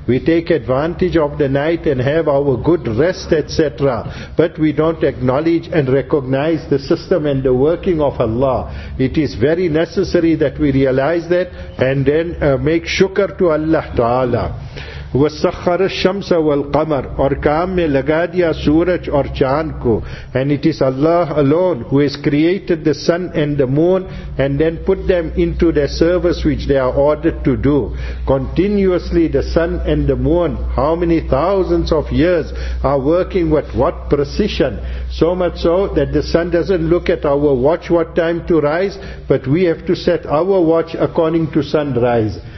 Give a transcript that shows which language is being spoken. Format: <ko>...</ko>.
<en>We take advantage of the night and have our good rest, etc. But we don't acknowledge and recognize the system and the working of Allah. It is very necessary that we realize that and then make shukr to Allah Ta'ala.</en> <ar>وَسَخَّرَ الشَّمْسَ وَالْقَمَرَ</ar> <ur>اور کام میں لگا دیا سورج اور چاند کو.</ur> <en>And it is Allah alone who has created the sun and the moon and then put them into their service which they are ordered to do. Continuously the sun and the moon, how many thousands of years, are working with what precision. So much so that the sun doesn't look at our watch what time to rise, but we have to set our watch according to sunrise.</en>